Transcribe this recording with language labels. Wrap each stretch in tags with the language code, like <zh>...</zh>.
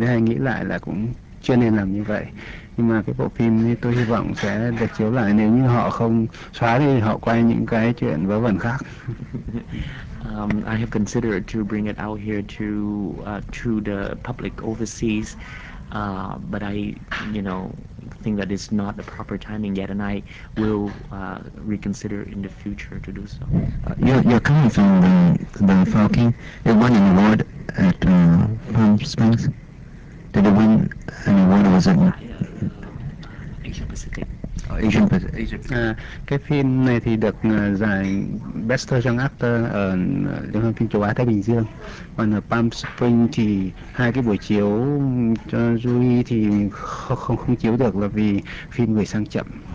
<vi>Thế hay nghĩ lại là cũng chưa nên làm như vậy. Nhưng mà cái bộ phim thì tôi hy vọng sẽ được chiếu lại, nếu như họ không xóa thì họ quay những cái chuyện vớ vẩn khác.</vi> <en>I have considered to bring it out here to the public overseas, but I, you know, think that it's not the proper timing yet, and I will reconsider in the future to do so. You're coming from the Falcon. You won an award at Palm Springs. Did you win an award, or was it Asia Pacific?</en> <vi>Cái phim này thì được giải Best Young Actor ở Liên hoan phim châu Á Thái Bình Dương. Còn ở Palm Springs thì hai cái buổi chiếu cho jury thì không chiếu được là vì phim gửi sang chậm.</vi>